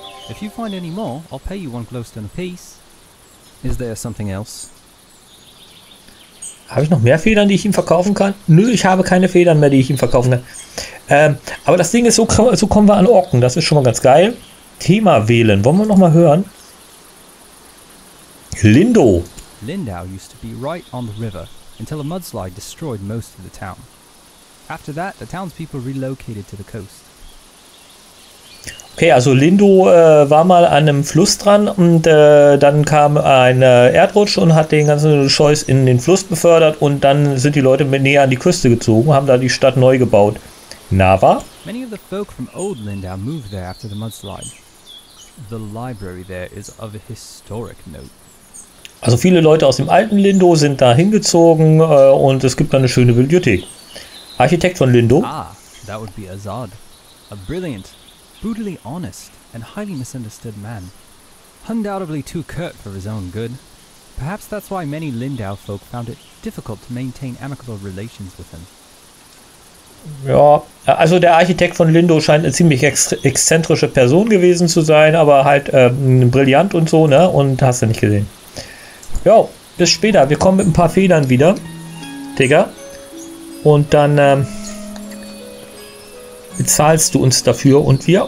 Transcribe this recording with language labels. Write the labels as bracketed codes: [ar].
[en] If you find any more, I'll pay you one glowstone apiece. Is there something else? [de] Habe ich noch mehr Federn, die ich ihm verkaufen kann? Nö, ich habe keine Federn mehr, die ich ihm verkaufen kann. Aber das Ding ist, so kommen wir an Orken. Das ist schon mal ganz geil. Thema wählen. Wollen wir noch mal hören? Lindo. [en] Lindau used to be right on the river, until a mudslide destroyed most of the town. After that, the townspeople relocated to the coast. [de] Okay, also Lindo war mal an einem Fluss dran und dann kam ein Erdrutsch und hat den ganzen Scheiß in den Fluss befördert und dann sind die Leute näher an die Küste gezogen, haben da die Stadt neu gebaut. Nava? [en] Many of the folk from old Lindau moved there after the mudslide. The library there is of a historic note. [de] Also viele Leute aus dem alten Lindo sind da hingezogen und es gibt da eine schöne Bibliothek. Architekt von Lindo. [en] Ah, that would be Azad. A brilliant, brutally honest and highly misunderstood man. Undoubtedly too curt for his own good. Perhaps that's why many Lindau folk found it difficult to maintain amicable relations with him. [de] Ja, also der Architekt von Lindo scheint eine ziemlich exzentrische Person gewesen zu sein, aber halt brillant und so, ne? Und hast du nicht gesehen. Ja, bis später. Wir kommen mit ein paar Federn wieder. Digga. Und dann bezahlst du uns dafür und wir...